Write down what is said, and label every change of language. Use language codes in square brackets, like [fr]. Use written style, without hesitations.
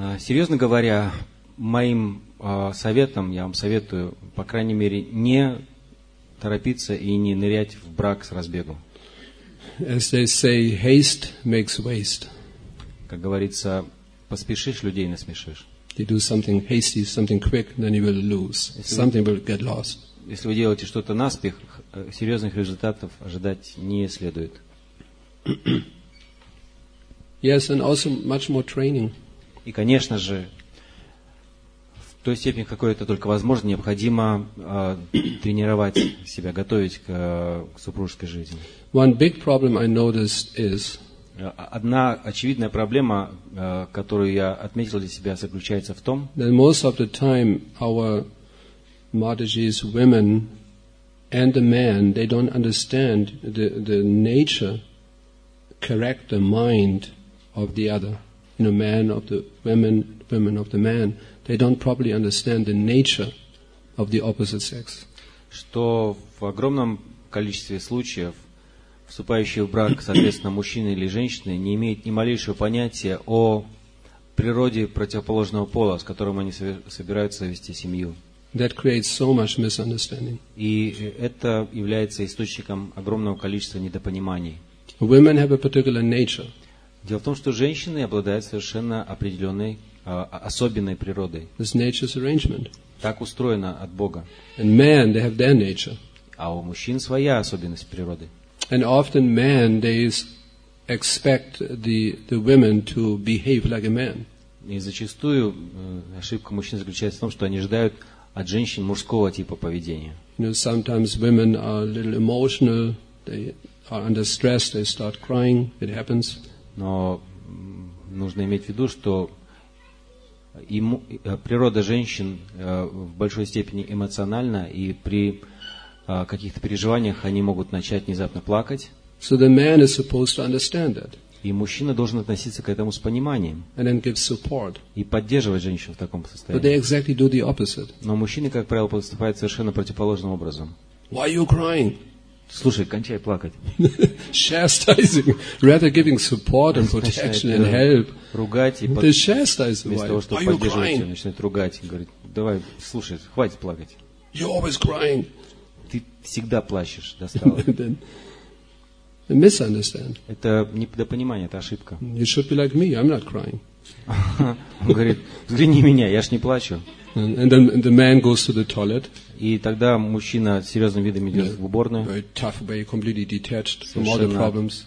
[ru] Серьезно говоря, моим советом я вам советую, по крайней мере, не торопиться и не нырять в брак с разбегу. [en] As they say, haste makes waste. [ru] Как говорится, поспешишь, людей насмешишь. [en] You do something hasty, something quick, then you will lose. Something will get lost. [ru] Если вы делаете что-то наспех, серьезных результатов ожидать не следует. [en] Yes, and also much more training. [ru] И, конечно же, в той степени, какой это только возможно, необходимо тренировать себя, готовить к супружеской жизни. [en] One big problem I noticed is [ru] одна очевидная проблема, которую я отметил для себя, заключается в том, [en] that most of the time our Mataji's women and the men, they don't understand the nature, character, mind of the other. You know, man of the women, women of the man. They don't properly understand the nature of the opposite sex. [ru] Что в огромном количестве случаев вступающие в брак, соответственно, мужчины или женщины, не имеют ни малейшего понятия о природе противоположного пола, с которым они собираются завести семью. [en] That creates so much misunderstanding. [ru] И это является источником огромного количества недопониманий. [en] Women have a particular nature. [ru] Дело в том, что женщины обладают совершенно определенной, особенной природой. [en] This nature's arrangement. [ru] Так устроено от Бога. [en] And men, they have their nature. [ru] А у мужчин своя особенность природы. [en] And often men, they expect the women to behave like a man. [ru] И зачастую ошибка мужчин заключается в том, что они ожидают от женщин мужского типа поведения. [en] You know, sometimes women are a little emotional, they are under stress, they start crying, it happens. [ru] Но нужно иметь в виду, что природа женщин в большой степени эмоциональна, и при каких-то переживаниях они могут начать внезапно плакать. [en] So the man is supposed to understand that. [ru] И мужчина должен относиться к этому с пониманием. [en] And then give support. [ru] И поддерживать женщину в таком состоянии. [en] But they exactly do the opposite. [ru] Но мужчины, как правило, поступают совершенно противоположным образом. [en] Why are you crying? [ru] Слушай, кончай плакать. [en] Chastising, rather giving support and protection and help. [ru] Ругать и подчеркивать. Вместо того, чтобы поддерживать, он начинает ругать и говорит: давай, слушай, хватит плакать. [en] You're always crying. [ru] Ты всегда плачешь, достало. [en] Misunderstand. [ru] Это недопонимание, это ошибка. [en] You should be like me, I'm not crying. [ru] Он говорит, взгляни меня, я ж не плачу. [en] And then the man goes to the toilet. [ru] И тогда мужчина серьезным видом идет в уборную. [en] Very tough way, completely detached from all the problems.